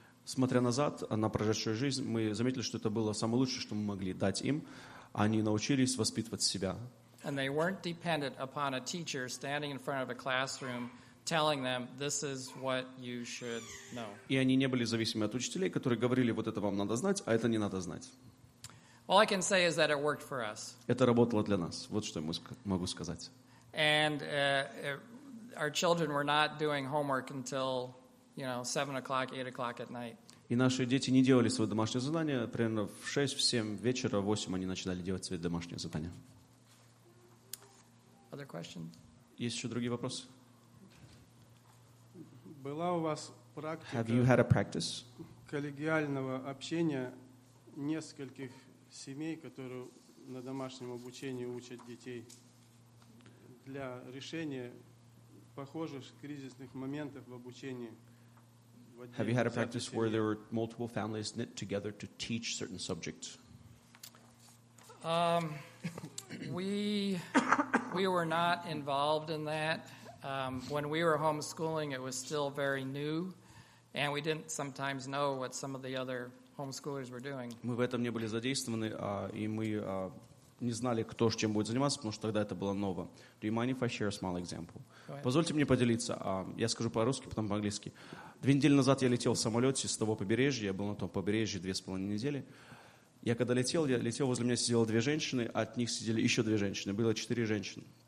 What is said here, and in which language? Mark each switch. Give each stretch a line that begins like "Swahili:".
Russian: Смотря назад на прожившую жизнь, мы заметили, что это было самое лучшее, что мы могли дать им. Они научились воспитывать себя.
English: And they weren't dependent upon a teacher standing in front of a classroom telling them, this is what you should know.
Russian: И они не были зависимы от учителей, которые говорили, вот это вам надо знать, а это не надо знать.
English: All I can say is that it worked for us.
Russian: Это работало для нас. Вот что я могу сказать.
English: And our children were not doing homework until, 7 o'clock, 8 o'clock at night.
Russian: И наши дети не делали свои домашние задания примерно в 6, 7 вечера, 8 они начинали делать свои домашние задания.
English: Other questions?
Russian: Есть еще другие вопросы? Была у вас практика?
English: Have you had a practice?
Russian: Коллегиального общения нескольких семей, которые на домашнем обучении учат детей для решения похожих кризисных моментов в обучении.
English: Have you had a practice where there were multiple families knit together to teach certain subjects? We were not involved in that. When we were homeschooling, it was still very new, And we didn't sometimes know what some of the other homeschoolers were doing.
Russian: Мы в этом не были задействованы, и мы не знали, кто с чем будет заниматься, потому что тогда это было ново.
English: Do you mind if I share a small example?
Russian: Позвольте мне поделиться. Я скажу по-русски, потом по-английски. Две недели назад я летел в самолете с того побережья. Я был на том побережье 2.5 недели. Я когда летел, я летел, возле меня сидели две женщины, от них сидели еще две женщины. Было 4 женщины.